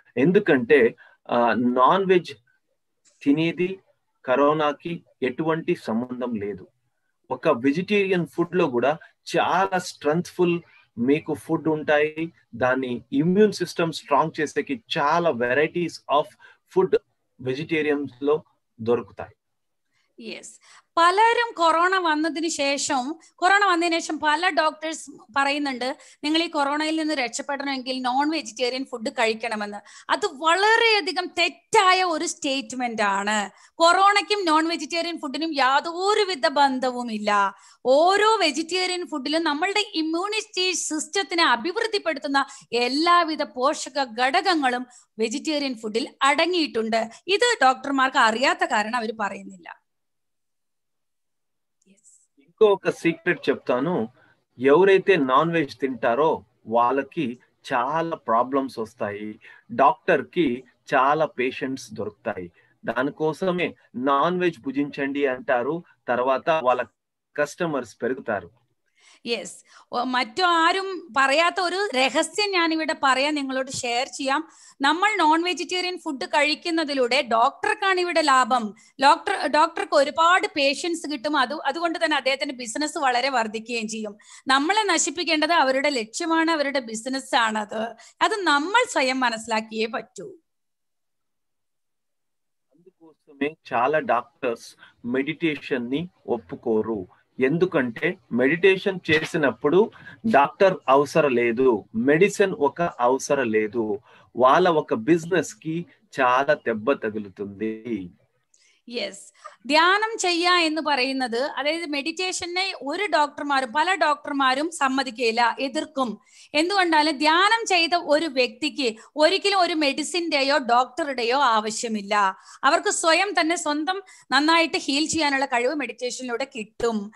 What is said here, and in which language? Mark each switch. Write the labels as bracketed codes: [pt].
[te] ఎందుకంటే non veg తినేది కరోనాకి ఎటువంటి సంబంధం లేదు. ఒక వెజిటేరియన్ ఫుడ్ లో కూడా చాలా స్ట్రెంగ్త్ఫుల్ మీకు ఫుడ్ ఉంటాయి. దాన్ని ఇమ్యూన్ సిస్టమ్ స్ట్రాంగ్ చేసేకి చాలా వెరైటీస్ ఆఫ్ ఫుడ్ వెజిటేరియన్స్ లో దొరుకుతాయి. [ml] പലരും കൊറോണ വന്നതിന് ശേഷം പല ഡോക്ടേഴ്സ് പറയുന്നുണ്ട് നിങ്ങൾ ഈ കൊറോണയിൽ നിന്ന് രക്ഷപ്പെടണമെങ്കിൽ നോൺ വെജിറ്റേറിയൻ ഫുഡ് കഴിക്കണമെന്ന്. അത് വളരെയധികം തെറ്റായ ഒരു സ്റ്റേറ്റ്മെന്റ് ആണ്. കൊറോണയ്ക്കും നോൺ വെജിറ്റേറിയൻ ഫുഡിനും യാതൊരുവിധ ബന്ധവും ഇല്ല. ഓരോ വെജിറ്റേറിയൻ ഫുഡിലും നമ്മളുടെ ഇമ്മ്യൂണിറ്റി സിസ്റ്റത്തിനെ അഭിവൃദ്ധിപ്പെടുത്തുന്ന എല്ലാവിധ പോഷക ഘടകങ്ങളും വെജിറ്റേറിയൻ ഫുഡിൽ അടങ്ങിയിട്ടുണ്ട്. ഇത് ഡോക്ടർമാർക്ക് അറിയാത്ത കാരണം അവർ പറയുന്നില്ല. [te] ఒక సీక్రెట్ చెప్తాను, ఎవరైతే నాన్ వెజ్ తింటారో వాళ్ళకి చాలా ప్రాబ్లమ్స్ వస్తాయి, డాక్టర్ కి చాలా పేషెంట్స్ దొరుకుతాయి. దానికోసమే నాన్ వెజ్ భుజించండి అంటారు, తర్వాత వాళ్ళ కస్టమర్స్ పెరుగుతారు. [ml] യെസ്, മറ്റു ആരും പറയാത്ത ഒരു രഹസ്യം ഞാനിവിടെ പറയാം, നിങ്ങളോട് ഷെയർ ചെയ്യാം. നമ്മൾ നോൺ വെജിറ്റേറിയൻ ഫുഡ് കഴിക്കുന്നതിലൂടെ ഡോക്ടർക്കാണ് ഇവിടെ ലാഭം. ഡോക്ടർക്ക് ഒരുപാട് പേഷ്യൻസ് കിട്ടും. അതുകൊണ്ട് തന്നെ അദ്ദേഹത്തിന്റെ ബിസിനസ് വളരെ വർദ്ധിക്കുകയും ചെയ്യും. നമ്മളെ നശിപ്പിക്കേണ്ടത് അവരുടെ ലക്ഷ്യമാണ്, അവരുടെ ബിസിനസ് ആണ്. അത് നമ്മൾ സ്വയം മനസ്സിലാക്കിയേ പറ്റൂ. [te] അതുകൊണ്ടുമേ ചാലാ ഡോക്ടേഴ്സ് മെഡിറ്റേഷനെ ഒപ്പുകോരു. ఎందుకంటే మెడిటేషన్ చేసినప్పుడు డాక్టర్ అవసరం లేదు, మెడిసిన్ ఒక అవసరం లేదు. వాళ్ళ ఒక బిజినెస్ కి చాలా దెబ్బ తగులుతుంది. [ml] യെസ്, ധ്യാനം ചെയ്യുക എന്ന് പറയുന്നത്, അതായത് മെഡിറ്റേഷനെ ഒരു ഡോക്ടർമാരും പല ഡോക്ടർമാരും സമ്മതിക്കില്ല, എതിർക്കും. എന്തുകൊണ്ടാണ്? ധ്യാനം ചെയ്ത ഒരു വ്യക്തിക്ക് ഒരിക്കലും ഒരു മെഡിസിൻ്റെയോ ഡോക്ടറുടെയോ ആവശ്യമില്ല. അവർക്ക് സ്വയം തന്നെ സ്വന്തം നന്നായിട്ട് ഹീൽ ചെയ്യാനുള്ള കഴിവ് മെഡിറ്റേഷനിലൂടെ കിട്ടും.